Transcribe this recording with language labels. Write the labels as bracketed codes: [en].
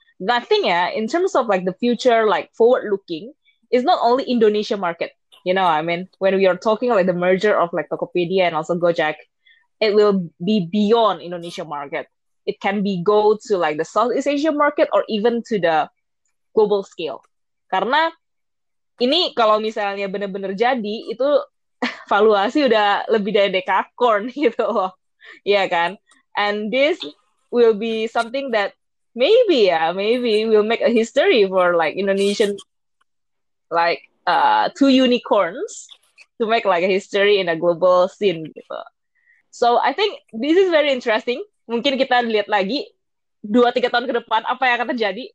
[en] The thing ya, in terms of like the future, like forward looking, is not only Indonesia market. You know, I mean, when we are talking like the merger of like Tokopedia and also Gojek, it will be beyond Indonesia market. It can be go to like the Southeast Asia market or even to the global scale. [id] Karena ini kalau misalnya benar-benar jadi, itu valuasi udah lebih dari dekakorn gitu loh. Iya kan? [en] And this will be something that maybe we'll make a history for like Indonesian like two unicorns to make like a history in a global scene gitu. So I think this is very interesting. [id] Mungkin kita lihat lagi 2-3 tahun ke depan apa yang akan terjadi.